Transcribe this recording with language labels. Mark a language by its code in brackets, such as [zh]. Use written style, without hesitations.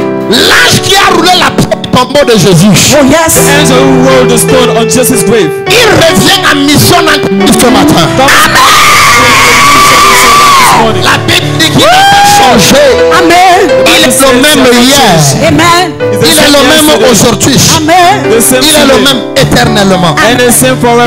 [fr] L'ange qui a roulé la pierre du tombeau de Jésus. [en] Oh yes. The angel who rolled the stone on Jesus' grave. [fr] Il revient en mission en ce matin. [en] Amen. [fr] La Bible dit qu'il a changé. [en] Amen. [fr] Il est le même hier. [en] Amen. [fr] Il est le même aujourd'hui. [en] Amen. [fr] Il est le même éternellement. [en] And the same forever.